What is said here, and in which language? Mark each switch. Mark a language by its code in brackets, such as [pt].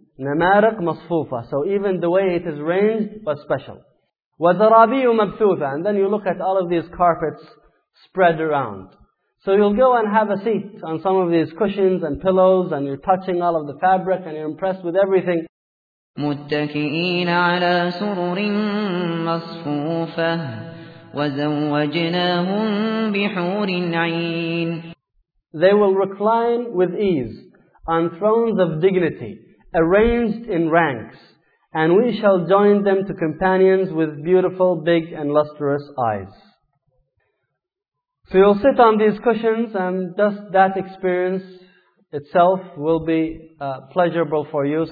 [ar] نَمَارِقْ مَصْفُوفَ [en] So even the way it is arranged was special. [ar] وَذَرَابِيُّ مَبْثُوثَ [en] And then you look at all of these carpets spread around. So you'll go and have a seat on some of these cushions and pillows and you're touching all of the fabric and you're impressed with everything. [ar] متكئين على سرر مصفوفة وزوجناهم بحور عين [en] They will recline with ease on thrones of dignity arranged in ranks and we shall join them to companions with beautiful big and lustrous eyes So you'll sit on these cushions and just that experience itself will be pleasurable for you.